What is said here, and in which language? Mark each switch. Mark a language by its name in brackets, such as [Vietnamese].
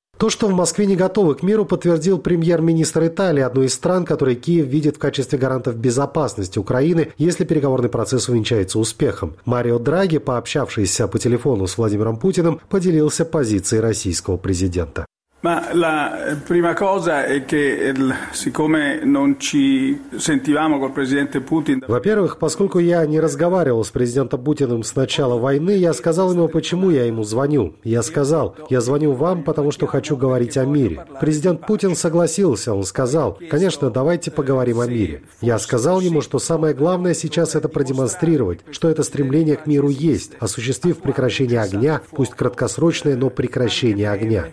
[Russian] То, что в Москве не готовы к миру, подтвердил премьер-министр Италии, одной из стран, которые Киев видит в качестве гарантов безопасности Украины, если переговорный процесс увенчается успехом. Марио Драги, пообщавшийся по телефону с Владимиром Путиным, поделился позицией российского президента. [Italian] Ma la prima cosa è che siccome non ci sentivamo col presidente Putin. [Russian] Во-первых, поскольку я не разговаривал с президентом Путиным с начала войны, я сказал ему, почему я ему звоню. Я сказал: "Я звоню вам, потому что хочу говорить о мире". Президент Путин согласился, он сказал: "Конечно, давайте поговорим о мире". Я сказал ему, что самое главное сейчас это продемонстрировать, что это стремление к миру есть, осуществив прекращение огня, пусть краткосрочное, но прекращение огня.